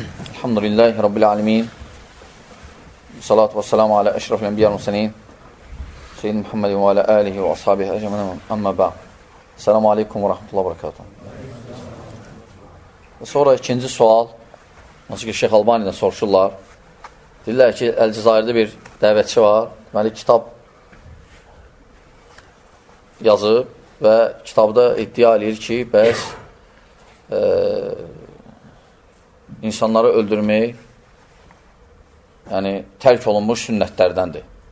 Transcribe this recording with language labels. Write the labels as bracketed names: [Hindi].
[Arabic] الحمد لله رب العالمين، والصلاة والسلام على أشرف الأنبياء والمرسلين سيدنا محمد وعلى آله وأصحابه أجمعين، أما بعد، السلام عليكم ورحمة الله وبركاته. [Azerbaijani] Sonra ikinci sual, nasıl ki Şeyh Albani'den soruşurlar. Deyirlər ki, Əl-Cəzairdə bir dəvətçi var. Deməli, kitab yazıb və kitabda iddia eləyir ki, bəs insanları öldürmək yəni tərk olunmuş sünnətlərdəndir.